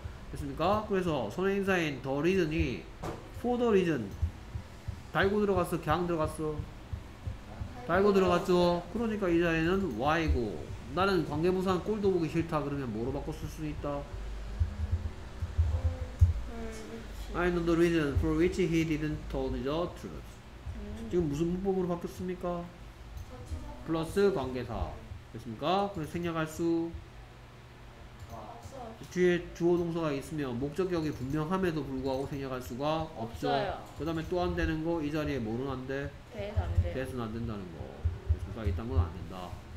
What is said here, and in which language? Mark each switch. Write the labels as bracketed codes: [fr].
[ko] 됐습니까? 그래서 선행사인 the reason이 [en] for the reason [ko] 달고 들어갔어? 걍 들어갔어? 달고 달고 들어갔죠. 그러니까 이 자리는 Y고 나는 관계부사는 꼴도 보기 싫다 그러면 뭐로 바꿔 쓸 수 있다? [en] I know the reason for which he didn't tell the truth. [ko] 지금 무슨 문법으로 바뀌었습니까? 플러스 관계사 됐습니까? 그래서 생략할 수 뒤에 주어 동사가 있으면 목적격이 분명함에도 불구하고 생략할 수가 없죠. 그 다음에 또 안 되는 거 이 자리에 뭐는 안 돼? 대해서는 안 된다는 거 그러니까 이딴 건 안 된다.